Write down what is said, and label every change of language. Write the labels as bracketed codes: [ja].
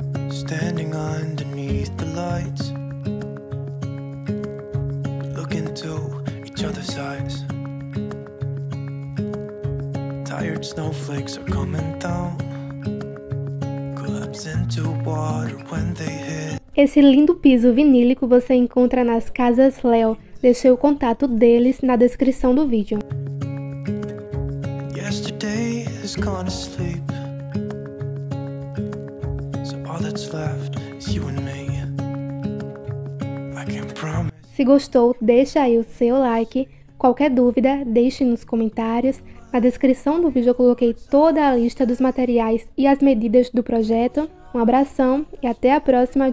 [en] Standing underneath the lights, looking to each other's eyes. tired snowflakes are coming down. Collapse into water when they hit. [pt] Esse lindo piso vinílico você encontra nas Casas Léo. Deixei o contato deles na descrição do vídeo. [en] Yesterday has gone to sleep. So all that's left is you and me. I can't promise. [pt] Se gostou, deixa aí o seu like. Qualquer dúvida, deixe nos comentários. Na descrição do vídeo eu coloquei toda a lista dos materiais e as medidas do projeto. Um abração e até a próxima.